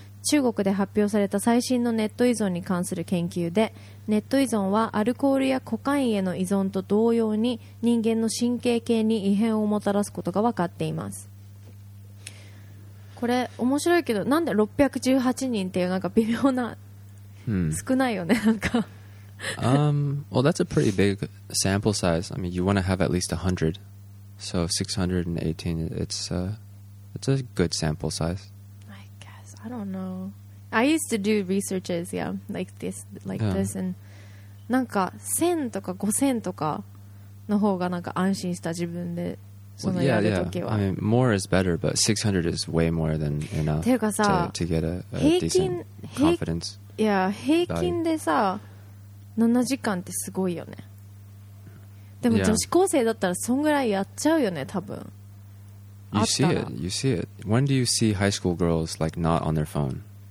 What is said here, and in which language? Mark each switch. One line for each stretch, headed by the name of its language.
Japanese: 中国で発表された最新のネット依存に関する研究で、ネット依存はアルコールやコカインへの依存と同様に人間の神経系に異変をもたらすことが分かっています。これ面白いけど、なんで618人っていうなんか微妙な、少ないよねなんか。
English: Well, that's a pretty big sample size. I mean, you want to have at least 100. So 618, it's a good sample size. I don't know. I used to do researches, yeah, like this.
Japanese: And なんか1000とか5000とかの方がなんか安心した自分でそのやる時は。
English: Well, yeah. I mean, more is better, but 600 is way more than enough
Japanese: ていうかさ
English: to get a decent confidence.
Japanese: Yeah, 平均でさ7時間ってすごいよね。でも女子高生だったらそんぐらいやっちゃうよね、多分。
English: You see it. When do you see high school girls like not on their phone?